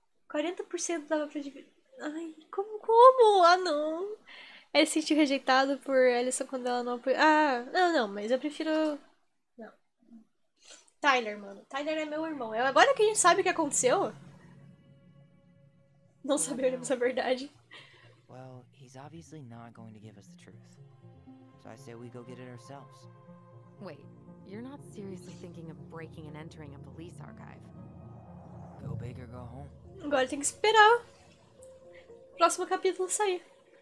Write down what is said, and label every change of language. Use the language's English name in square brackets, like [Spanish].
[Portuguese] 40% dava pra dividir. Ai, como? Ah, não. Ele se sentiu rejeitado por Alison quando ela não apoiou. Ah, não, mas eu prefiro... Tyler, mano. Tyler é meu irmão. Agora que a gente sabe o que aconteceu. Não sabemos a verdade. [English] Well, he's obviously not going to give us the truth. So I say we go get it ourselves. Wait, you're not seriously thinking of breaking and entering a police archive? Go big or go home. [Portuguese] Agora tem que esperar o próximo capítulo sair.